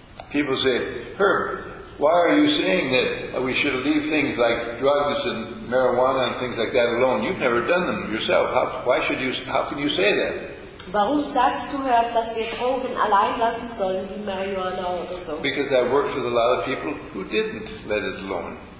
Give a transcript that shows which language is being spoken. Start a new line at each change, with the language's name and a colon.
English: People say, Herb, why are you saying that we should leave things like drugs and marijuana and things like that alone? You've never done them yourself. How can you say that?
German: Warum sagst du, Herb, dass wir Drogen allein lassen sollen, wie Marihuana oder so?
English: Because I worked with a lot of people who didn't let it alone.